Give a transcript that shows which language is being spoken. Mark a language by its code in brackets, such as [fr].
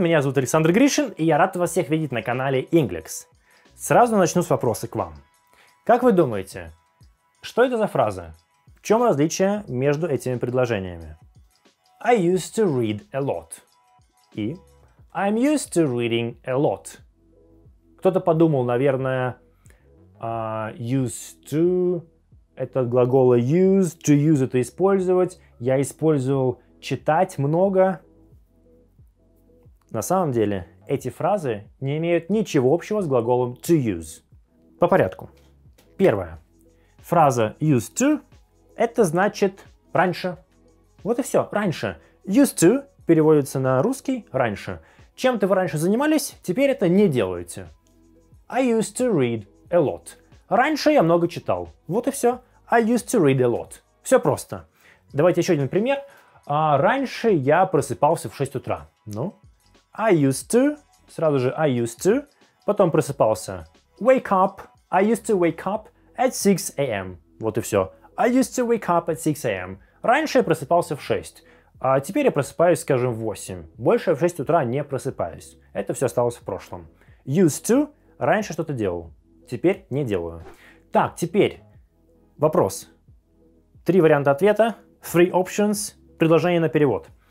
[ru] Меня зовут Александр Гришин, и я рад вас всех видеть на канале Inglix. Сразу начну с вопроса к вам. Как вы думаете, что это за фраза? В чем различие между этими предложениями? [en] I used to read a lot. И I'm used to reading a lot. [ru] Кто-то подумал, наверное, used to, это от глагола use, to use это использовать. Я использовал читать много. На самом деле, эти фразы не имеют ничего общего с глаголом to use. По порядку. Первое. Фраза used to, это значит раньше. Вот и все, раньше. Used to переводится на русский раньше. Чем ты раньше занимались, теперь это не делаете. [en] I used to read a lot. [ru] Раньше я много читал. Вот и все. [en] I used to read a lot. Все просто. [ru] Давайте еще один пример. Раньше я просыпался в 6 утра. Ну? [en] I used to, [ru] сразу же [en] I used to, [ru] потом просыпался. [en] Wake up, I used to wake up at 6 a.m. [ru] Вот и все. [en] I used to wake up at 6 a.m. [ru] Раньше я просыпался в 6, а теперь я просыпаюсь, скажем, в 8. Больше в 6 утра не просыпаюсь. Это все осталось в прошлом. Used to, раньше что-то делал, теперь не делаю. Так, теперь вопрос. Три варианта ответа, [en] three options, [ru] предложение на перевод.